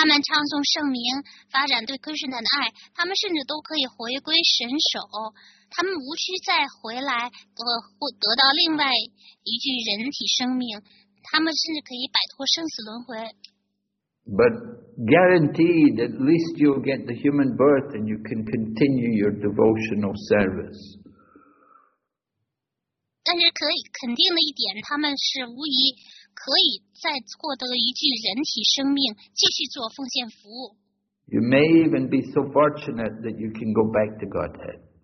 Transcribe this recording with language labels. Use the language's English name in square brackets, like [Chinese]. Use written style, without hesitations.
[Chinese] 肯定是可以的，如果他们唱诵圣名，发展对 Krishna 的爱，他们甚至都可以回归神首，他们无需再回来得到另外一具人体生命，他们甚至可以摆脱生死轮回。 [English] But guaranteed, at least you'll get the human birth and you can continue your devotional service. [Chinese] 但是可以肯定的一点，他们是无疑可以再获得一具人体生命，继续做奉献服务。 [English] You may even be so fortunate that you can go back to Godhead.